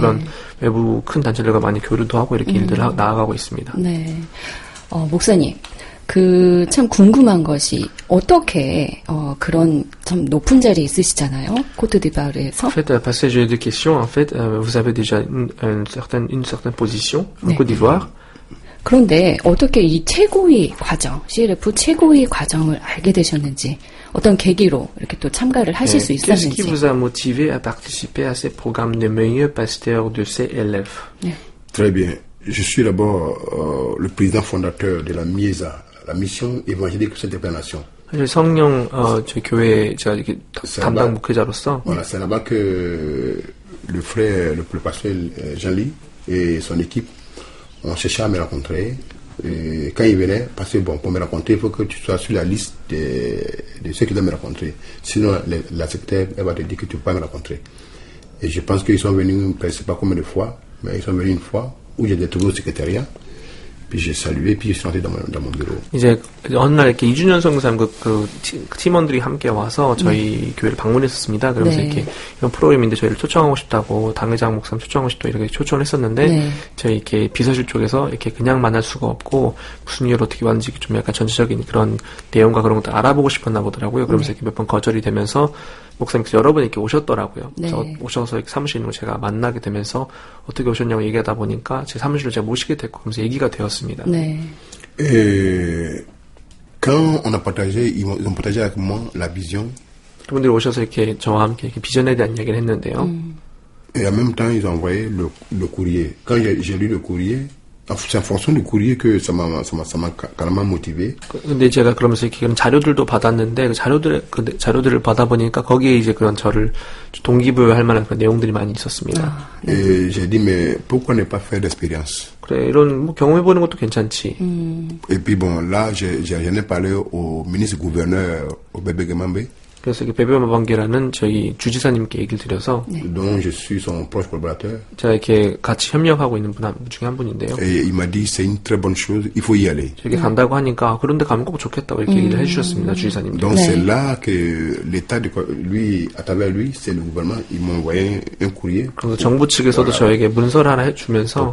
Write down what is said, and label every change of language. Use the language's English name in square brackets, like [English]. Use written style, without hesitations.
[Korean] 그런 외부 큰 단체들과 많이 교류도 하고 이렇게 일들을 나아가고 있습니다. 네, 목사님. 그 참 궁금한 것이 어떻게 그런 참 높은 자리에 있으시잖아요. 코트디바르에서. [French] En fait, parce que j'ai des questions en fait, vous avez déjà une certaine position en Côte d'Ivoire. [Korean] 그런데 어떻게 이 최고위 과정, CLF 최고위 과정을 알게 되셨는지 어떤 계기로 이렇게 또 참가를 하실 수 있었는지. [French] Qu'est-ce qui vous a motivé à participer à ce programme de meilleurs pasteurs de CLF? Très bien. Je suis d'abord le président fondateur de la MIESA. La mission évangélique de cette nation. [Korean] 사실 성령 제 교회 제가 이렇게 담당 목회자로서. [French] Voilà, c'est là-bas que le frère le pasteur Jean-Li et son équipe ont cherché à me rencontrer. Et quand il venait, parce que bon, pour me rencontrer, il faut que tu sois sur la liste de ceux qui doivent me rencontrer. Sinon, la secrétaire elle va te dire que tu ne peux pas me rencontrer. Et je pense qu'ils sont venus, je ne sais pas combien de fois, mais ils sont venus une fois où j'ai trouvé au secrétariat. Puis j'ai salué, puis je suis rentré dans mon bureau. [Korean] 이제 어느 날 이렇게 이준현 선교사님 그 팀원들이 함께 와서 저희 교회를 방문했었습니다. 그러면서 이렇게 이런 프로그램인데 저희를 초청하고 싶다고 당회장 목사님 초청하고 싶다고 이렇게 초청을 했었는데 저희 이렇게 비서실 쪽에서 이렇게 그냥 만날 수가 없고 무슨 이유로 어떻게 왔는지 좀 약간 전체적인 그런 내용과 그런 것도 알아보고 싶었나 보더라고요. 그러면서 이렇게 몇 번 거절이 되면서 목사님께서 여러 번 이렇게 오셨더라고요. 오셔서 사무실로 제가 만나게 되면서 어떻게 오셨냐고 얘기하다 보니까 제 사무실을 제가 모시게 됐고 그러면서 얘기가 되었습니다. 네. [French] Quand on a partagé, ils ont partagé avec moi la vision. [Korean] 그분들이 오셔서 이렇게 저와 함께 이렇게 비전에 대한 이야기를 했는데요. [French] Et en même temps, ils ont envoyé le courrier. Quand j'ai lu le courrier, c'est en fonction du courrier que ça m'a carrément motivé. [Korean] 근데 제가 그러면서 이렇게 그런 자료들도 받았는데 그 자료들을 받아보니까 거기에 이제 그런 저를 동기부여할 만한 그런 내용들이 많이 있었습니다. 아, 네. [French] Et j'ai dit, mais pourquoi ne pas faire d'expérience? [Korean] 네, 이런 뭐 경험해 보는 것도 괜찮지. [French] Et puis bon, là, j'en ai parlé au ministre gouverneur au Bébé Gémambé. [Korean] 그래서 이 베베 마방게라는 저희 주지사님께 얘기를 드려서. [French] Donc je suis son proche collaborateur. [Korean] 제가 이렇게 같이 협력하고 있는 분 중에 한 분인데요. [French] Et il m'a dit c'est une très bonne chose, il faut y aller. [Korean] 저렇게 간다고 하니까 그런데 가면 꼭 좋겠다고 이렇게 얘기를 해주셨습니다, 주지사님. [French] Donc c'est là que l'État de lui, à travers lui, c'est le gouvernement, il m'a envoyé un courrier. [Korean] 그래서 정부 측에서도 voilà. 저에게 문서를 하나 해주면서.